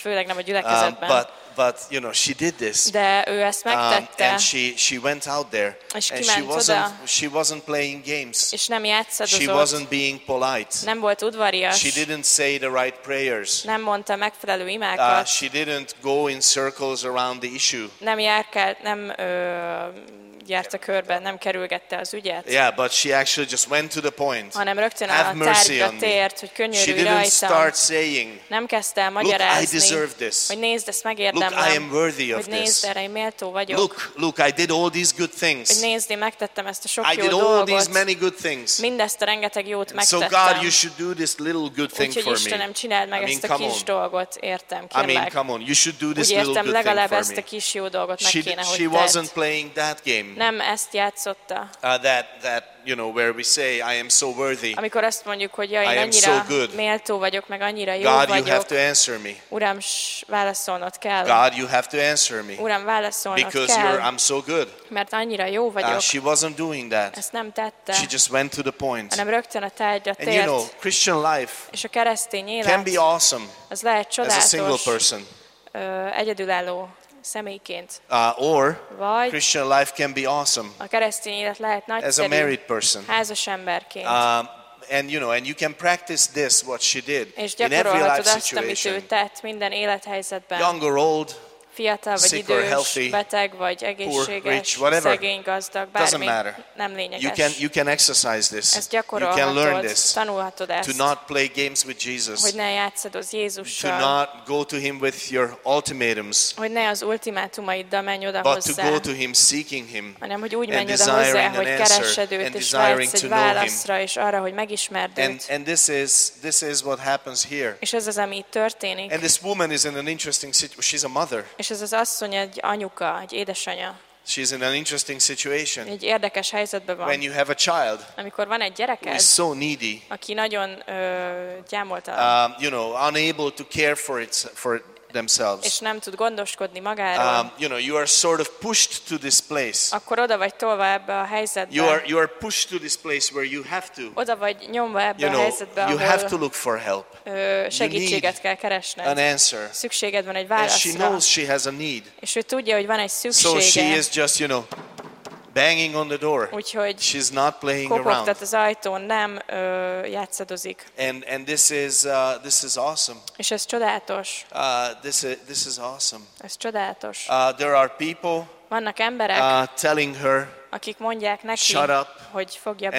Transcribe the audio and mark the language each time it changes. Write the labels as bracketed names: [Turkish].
[Hungarian] Főleg nem a gyülekezetben. [English] But you know, she did this. [Hungarian] De ő ezt megtette. [English] And she went out there. [Hungarian] És [English] and [Hungarian] kiment [English] she wasn't playing games. [Hungarian] És nem játszadozott. [English] She wasn't being polite. [Hungarian] Nem volt udvarias. [English] She didn't say the right prayers. [Hungarian] Nem mondta megfelelő imákat. [English] She didn't go in circles around the issue. [Hungarian] Nem járkált, nem járt a körbe, nem kerülgette az ügyet. [English] Yeah, but she actually just went to the point. [Hungarian] Hanem rögtön a tárgyra tért, hogy könyörülj rajtam. [English] She didn't start saying, [Hungarian] nem kezdte el magyarázni, [English] "Look, I deserve this. [Hungarian] Hogy nézd, ezt megérdemlem. [English] Look, I am worthy of [Hungarian] hogy nézd, erre én méltó vagyok. [English] Look, I did all these good things. [Hungarian] Hogy nézd, én megtettem ezt a sok [English] I [Hungarian] jó [English] did all [Hungarian] dolgot. [English] These many good things. [Hungarian] Mindezt a rengeteg jót megtettem. [English] So God, you should do this little good thing [Hungarian] úgyhogy [English] for me. [Hungarian] Istenem, csináld meg ezt a kis dolgot, értem, kérlek. [English] I mean, come on, you should do this little good thing for me. [Hungarian] Legalább ezt a kis jó dolgot meg kéne, [English] she wasn't playing that game. [Hungarian] Nem ezt játszotta. [English] That you know where we say I am so worthy. [Hungarian] Amikor azt mondjuk, hogy ja, én annyira méltó vagyok, meg annyira jó [English] God, [Hungarian] vagyok. [English] God, you have to answer me. [Hungarian] Uram, válaszolnod kell. [English] God, you have to answer me. [Hungarian] Uram, válaszolnod [English] because [Hungarian] kell. [English] Because I'm so good. [Hungarian] Mert annyira jó vagyok. [English] She wasn't doing that. [Hungarian] Ezt nem tette. [English] She just went to the point. [Hungarian] Hanem rögtön a tárgyra tért. [English] And you know, Christian life. [Hungarian] És a keresztény élet. [English] Can be awesome. [Hungarian] Az lehet csodálatos. [English] As a single person. [Hungarian] Egyedülálló. Személyként. [English] Or [Hungarian] vagy [English] Christian life can be awesome. [Hungarian] A keresztény élet lehet nagyszerű. [English] As a married person. [Hungarian] Házas emberként. [English] And you know, and you can practice this what she did. [Hungarian] És gyakorolhatod azt, amit ő tett minden élethelyzetben. [English] Young or old. [Hungarian] Fiatal vagy [English] sick [Hungarian] idős, [English] or healthy, [Hungarian] beteg vagy egészséges, [English] poor, rich, whatever. [Hungarian] Szegény, gazdag, bármi, nem lényeges. [English] You can exercise this. [Hungarian] Ezt gyakorolhatod, [English] you can learn this. [Hungarian] Tanulhatod ezt. [English] To not play games with Jesus. [Hungarian] Hogy ne játszadoz Jézussal. [English] To not go to him with your ultimatums. [Hungarian] Hogy ne az ultimátumaiddal menj oda [English] but [Hungarian] hozzá. [English] To go to him seeking him. [Hungarian] Hanem hogy úgy menj oda hozzá, hogy keressed őt, és vágysz egy válaszra, és arra, hogy megismerd őt. [English] And this is what happens here. [Hungarian] És ez az, ami itt történik. [English] And this woman is in an interesting situation. She's a mother. [Hungarian] És ez az asszony egy anyuka, egy édesanyja. [English] She's in an interesting situation. [Hungarian] Egy érdekes helyzetben van. [English] When you have a child. [Hungarian] Amikor van egy gyereked. [English] Who is so needy. [Hungarian] Aki nagyon gyámolta. [English] Unable to care for it for themselves. [Hungarian] És nem tud gondoskodni magáról. [English] You are sort of pushed to this place. [Hungarian] Akkor oda vagy tolva ebbe a helyzetbe. [English] You are pushed to this place where you have to. [Hungarian] Oda vagy nyomva ebbe a helyzetbe. [English] You have to look for help. [Hungarian] Segítséget kell keresned. [English] An answer. [Hungarian] Szükséged van egy válaszra. [English] And she knows she has a need. [Hungarian] És ő tudja, hogy van egy szüksége. [English] So she is just, banging on the door. [Hungarian] Úgyhogy [English] she's not playing around. [Hungarian] Kopogtat az ajtón, nem játszadozik. [English] And this is awesome. [Hungarian] És ez csodálatos. [English] This is awesome. [Hungarian] Ez csodálatos. [English] There are people. [Hungarian] Vannak emberek. [English] Telling her. [Hungarian] Akik mondják neki. [English] Shut up. [Hungarian] Hogy fogja be.